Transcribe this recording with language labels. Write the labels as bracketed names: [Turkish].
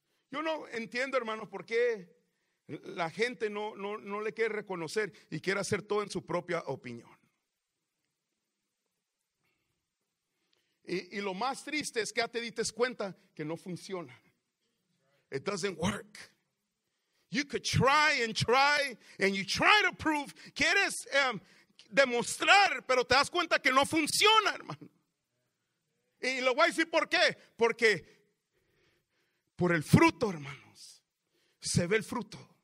[Spanish] Yo no entiendo, hermanos, por qué la gente no le quiere reconocer y quiere hacer todo en su propia opinión. Y lo más triste es que ya te dites cuenta que no funciona. [English] It doesn't work. You could try and try and you try to prove. [Spanish] Quieres demostrar, pero te das cuenta que no funciona, hermano. Y lo voy a decir por qué. Porque por el fruto, hermanos, se ve el fruto.